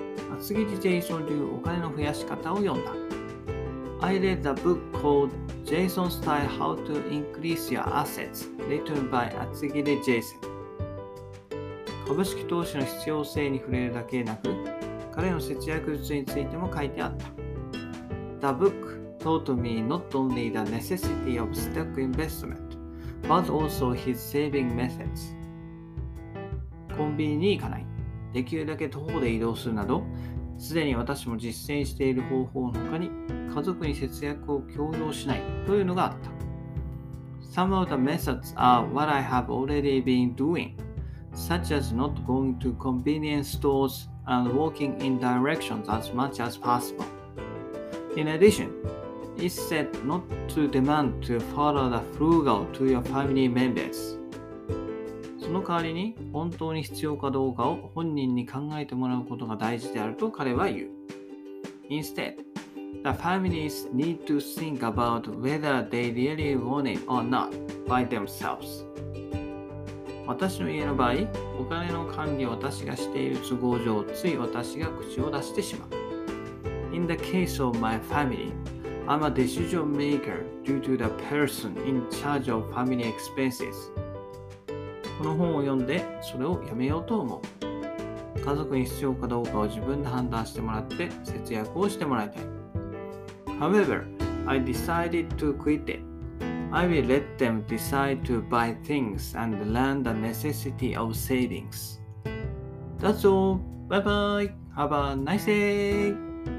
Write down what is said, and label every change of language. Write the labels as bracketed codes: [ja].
[ja] 厚切りジェイソン流お金の増やし方を読んだ。 [en] I read the book called Jason Style How to Increase Your Assets, written by 厚切りジェイソン。 [ja] 株式投資の必要性に触れるだけでなく、彼の節約術についても書いてあった。 [en] The book taught me not only the necessity of stock investment, but also his saving methods. [ja] コンビニに行かない。できるだけ徒歩で移動するなど、すでに私も実践している方法の他に、家族に節約を強要しないというのがあった。 [en] Some of the methods are what I have already been doing, such as not going to convenience stores and walking in directions as much as possible. In addition,It's said not to demand to follow the frugal to your family members. [ja] その代わりに本当に必要かどうかを本人に考えてもらうことが大事であると彼は言う。 [en] Instead, the families need to think about whether they really want it or not by themselves. [ja] 私の家の場合、お金の管理を私がしている都合上、つい私が口を出してしまう。 [en] In the case of my family,I'm a decision maker due to the person in charge of family expenses. [ja] この本を読んで、それをやめようと思う。家族に必要かどうかを自分で判断してもらって、節約をしてもらいたい。 [en] However, I decided to quit it. I will let them decide to buy things and learn the necessity of savings. That's all. Bye bye. Have a nice day.